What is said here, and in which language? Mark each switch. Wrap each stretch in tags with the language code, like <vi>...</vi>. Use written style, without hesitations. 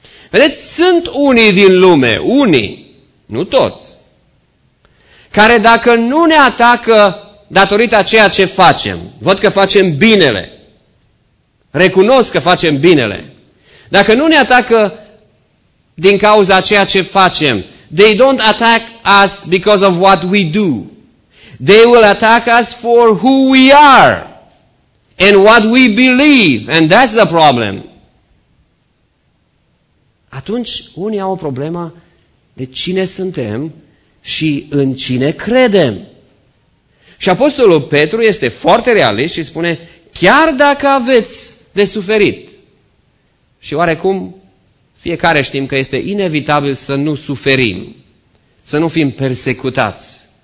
<ro>Vedeți, sunt unii din lume, unii, nu toți, care dacă nu ne atacă datorită a ceea ce facem, văd că facem binele, recunosc că facem binele, dacă nu ne atacă din cauza ceea ce facem,</ro> <en>they don't attack us because of what we do. They will attack us for who we are and what we believe. And that's the problem.</en> <ro>Atunci unii au o problemă de cine suntem și în cine credem. Și apostolul Petru este foarte realist și spune, chiar dacă aveți de suferit, și oarecum fiecare știm că este inevitabil să nu suferim, să nu fim persecutați.</ro>